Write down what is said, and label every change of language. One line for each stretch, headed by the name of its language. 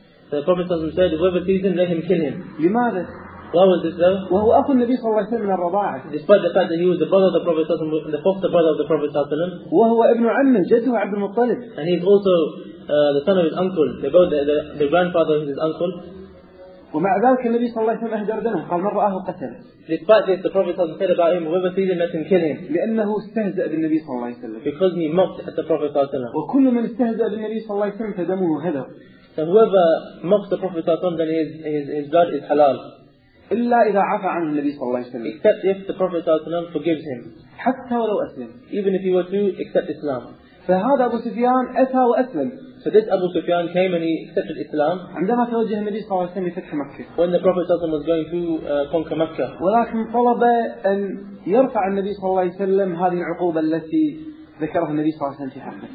English: The Prophet said, "Whoever sees him, let him kill him."
Arabic: لماذا?
English: Why was this though?
Arabic: وهو أخ النبي صلى الله عليه وسلم من الرضاعة.
English: Despite the fact that he was the brother of the Prophet صلى الله عليه وسلم, the foster brother of the Prophet صلى الله عليه وسلم.
Arabic: وهو ابن عمه, جده عبد المطلب.
English: And he's also the son of his uncle. They both the grandfather of his uncle.
Arabic: ومع ذلك النبي صلى الله عليه وسلم أهدر دمه. قال من رآه قتل.
English: Despite this, the Prophet said about him, "Whoever sees him, let him kill him."
Arabic: لأنه استهزأ بالنبي صلى الله عليه وسلم.
English: Because he mocked at the Prophet صلى الله عليه وسلم.
Arabic: وكل من استهزأ بالنبي صلى الله عليه وسلم فدمه هدر.
English: So whoever mocks the Prophet صلى الله عليه وسلم, then his blood is halal.
Arabic: إلا إذا عفى عنه النبي صلى الله عليه وسلم.
English: Except if the Prophet صلى الله عليه وسلم forgives him.
Arabic: حتى ولو أسلم.
English: Even if he were to accept Islam.
Arabic: فهذا أبو سفيان أتى وأسلم.
English: So this Abu Sufyan came and he accepted Islam.
Arabic: عندما توجه النبي صلى الله عليه وسلم لفتح مكة.
English: When the Prophet صلى الله عليه وسلم was going to conquer مكة.
Arabic: ولكن طلب أن يرفع النبي صلى الله عليه وسلم هذه العقوبة التي ذكره النبي صلى الله عليه وسلم في حقه.